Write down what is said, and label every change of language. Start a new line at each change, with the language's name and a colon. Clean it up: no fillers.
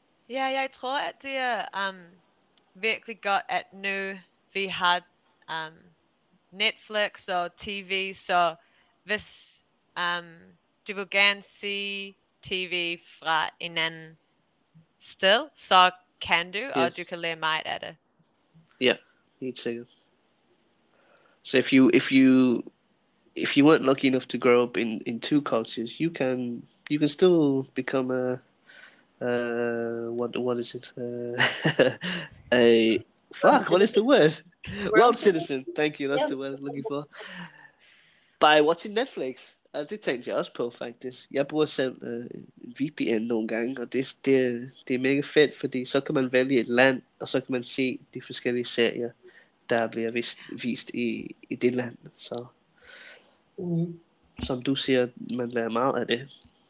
Danish: Ja, jeg tror, at det er virkelig godt, at nu vi har... Netflix og TV, så hvis du vil gerne se TV fra en anden sted, så kan du, yes, og du kan lære meget af det. Ja, helt sikkert.
English: So if you weren't lucky enough to grow up in two cultures, you can still become World citizen, thank you, that's the word I'm looking for. By watching Netflix.
Danish: Ja, det tænkte jeg også på, faktisk. Jeg bruger selv VPN nogle gange, og det er mega fedt, fordi så kan man vælge et land, og så kan man se de forskellige serier, der bliver vist i det land. Så som du siger, man lærer meget af det.